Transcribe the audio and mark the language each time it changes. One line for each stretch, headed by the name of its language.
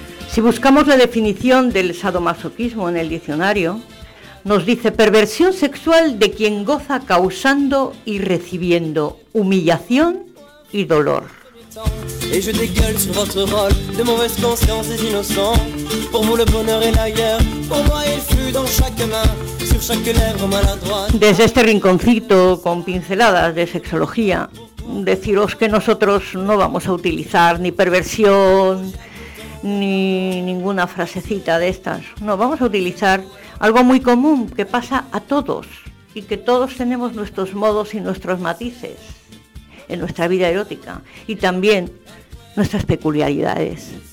Spanish: Si buscamos la definición del sadomasoquismo en el diccionario, nos dice perversión sexual de quien goza causando y recibiendo humillación y dolor.
French: Et je dégueule sur votre rôle de mauvaise conscience et d'innocent. Pour vous le bonheur est ailleurs, pour moi il fut dans chaque main, sur chaque lèvre maladroite.
Spanish: Desde este rinconcito con pinceladas de sexología, deciros que nosotros no vamos a utilizar ni perversión ni ninguna frasecita de estas. No, vamos a utilizar algo muy común que pasa a todos y que todos tenemos nuestros modos y nuestros matices en nuestra vida erótica y también nuestras peculiaridades.